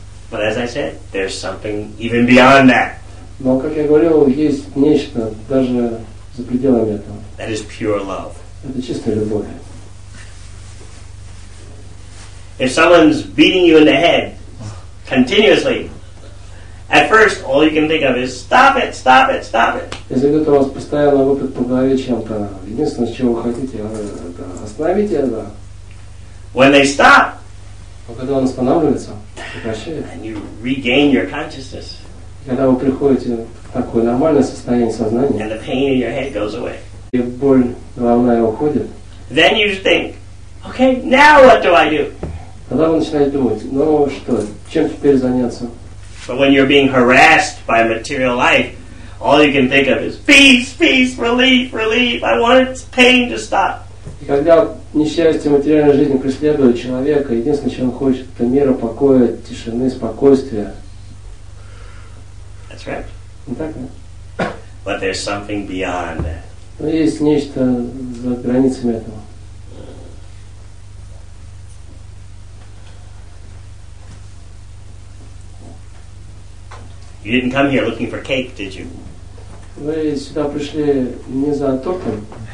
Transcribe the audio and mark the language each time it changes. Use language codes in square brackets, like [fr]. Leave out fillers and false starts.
[en] But as I said, there's something even beyond that. [ru] Но, как я говорил, есть нечто даже за пределами этого. [en] That is pure love. [ru] Это чистая любовь. [en] If someone's beating you in the head continuously, at first all you can think of is stop it, stop it, stop it. [ru] Если кто-то вас постоянно выпьет по голове чем-то, единственное, чего вы хотите, это остановите это. [en] When they stop. [ru] А когда он останавливается, прекращает. [en] And you regain your consciousness. [ru] Когда вы приходите в такое нормальное состояние сознания. [en] And the pain in your head goes away. [ru] И боль головная уходит. [en] Then you think, okay, now what do I do? [ru] Тогда вы начинаете думать, ну что, чем теперь заняться? [en] But when you're being harassed by material life, all you can think of is peace, peace, relief, relief. I want its pain to stop. [ru] И когда несчастье материальной жизни преследует человека, единственное, чего он хочет, это мира, покоя, тишины, спокойствия. [en] That's right. [ru] Не так, да? [en] But there's something beyond that. [ru] Но есть нечто за границами этого. [en] You didn't come here looking for cake, did you? [ru] Вы сюда пришли не за тортом.